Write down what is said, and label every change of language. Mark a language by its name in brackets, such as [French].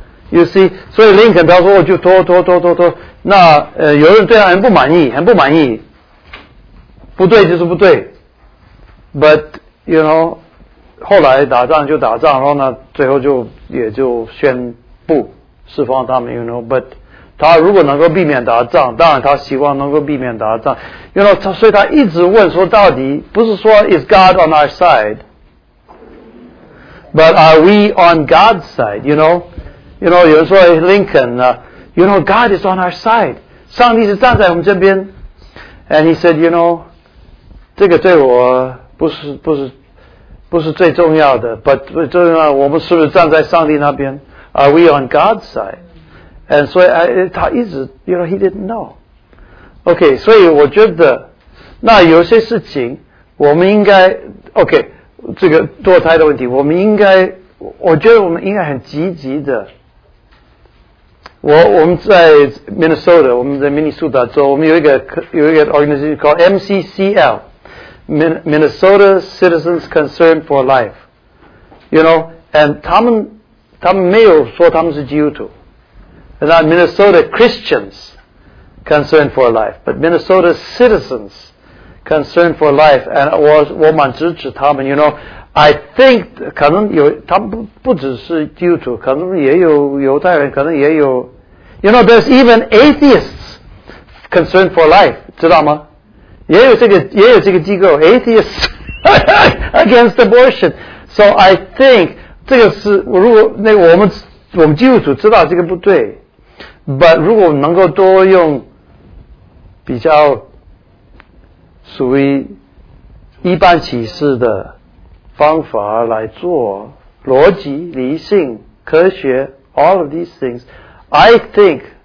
[English] ， you see， [Chinese] 所以林肯他说我就拖，那有人对他很不满意，不对就是不对 ， [English] but。 You know， [Chinese] 后来打仗就打仗，然后呢，最后就也就宣布释放他们。 [English] You know， but [Chinese] 他如果能够避免打仗，当然他希望能够避免打仗。 [English] You know, [Chinese] 他所以他一直问说到底，不是说 [English] is God on our side, but are we on God's side? You know, [Chinese] 有人说 [English] Lincoln, you know, God is on our side. [Chinese] 上帝是站在我们这边。 [English] And he said, you know, [Chinese] 这个对我不是最重要的 ， [English] but [Chinese] 最重要的，我们是不是站在上帝那边 ？ [English] Are we on God's side？ And [Chinese] 所以，他一直 [English] ，you know，he didn't know。 OK， [Chinese] 所以我觉得，那有些事情，我们应该 [English] OK， [Chinese] 这个堕胎的问题，我们应该，我觉得我们应该很积极的。我们在 Minnesota， 我们在明尼苏达州，我们有一个 [English] organization called MCCL。 Minnesota Citizens Concerned for Life, you know, and [Chinese] 他们没有说他们是基督徒 [English] and not Minnesota Christians Concerned for Life, but Minnesota Citizens Concerned for Life, and [Chinese] 我蛮支持他们 [English] you know, I think [Chinese] 可能有他们 不只是基督徒，可能也有犹太人，可能也有 [English] you know, there's even atheists Concerned for Life, [Chinese] 知道吗？也有这个机构 Atheists Against Abortion. [English] So I think [Chinese] 这个是如果那个、我们基督徒知道这个不对 [English] But [Chinese] 如果能够多用比较属于一般启示的方法来做逻辑理性科学 [English] All of these things I think